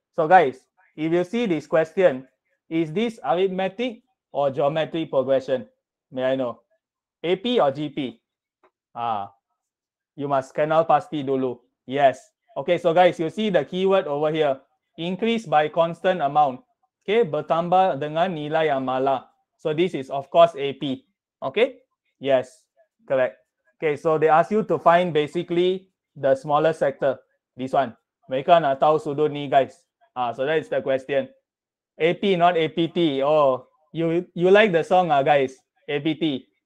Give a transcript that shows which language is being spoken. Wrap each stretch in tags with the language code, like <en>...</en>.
<en>So guys, if you see this question, is this arithmetic or geometric progression? May I know? AP or GP? You must</en> <ms>kenal pasti dulu.</ms> <en>Yes. Okay, so guys, you see the keyword over here. Increase by constant amount.</en> <ms>Okay, bertambah dengan nilai yang malah.</ms> <en>So this is of course AP. Okay? Yes. Correct. Okay, so they ask you to find basically the smallest sector. This one.</en> <ms>Mereka nak tahu sudut ni,</ms> <en>guys. So that is the question. AP, not APT. Oh, you like the song, guys? APT.</en>